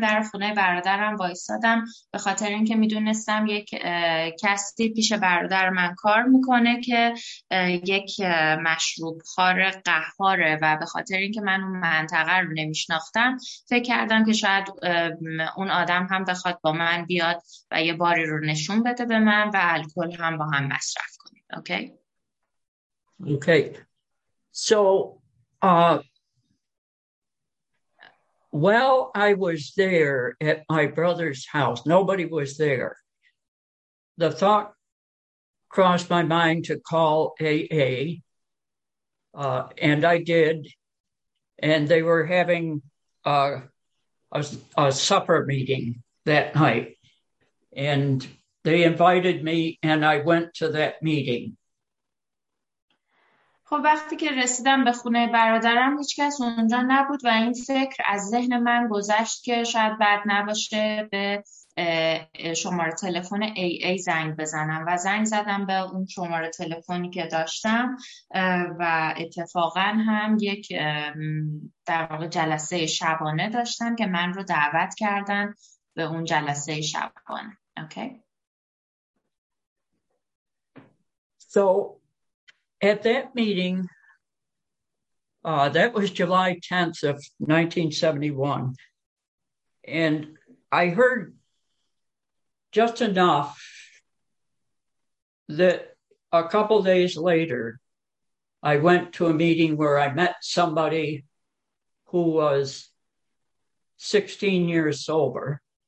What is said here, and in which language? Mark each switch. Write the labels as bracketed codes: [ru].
[fa] در خونه برادرم وایستادم به خاطر اینکه میدونستم یک کسی پیش برادر من کار میکنه که یک مشروب خار قهاره و به خاطر اینکه من اون منطقه رو نمیشناختم فکر کردم که شاید اون آدم هم بخواد با من بیاد و یه باری رو نشون بده به من و الکل هم با هم مصرف کنیم. [en] Okay. So, while I was there at my brother's house, nobody was there. The thought crossed my mind to call AA, and I did. And they were having a supper meeting that night. And they invited me, and I went to that meeting. [fa] خب وقتی که رسیدم به خونه برادرم هیچ کس اونجا نبود و این فکر از ذهن من گذشت که شاید بد نباشه به شماره تلفن AA زنگ بزنم و زنگ زدم به اون شماره تلفنی که داشتم و اتفاقا هم یک در واقع جلسه شبانه داشتم که من رو دعوت کردن به اون جلسه شبانه. [en] Okay. So at that meeting, that was July 10th of 1971, and I heard just enough that a couple days later, I went to a meeting where I met somebody who was 16 years sober.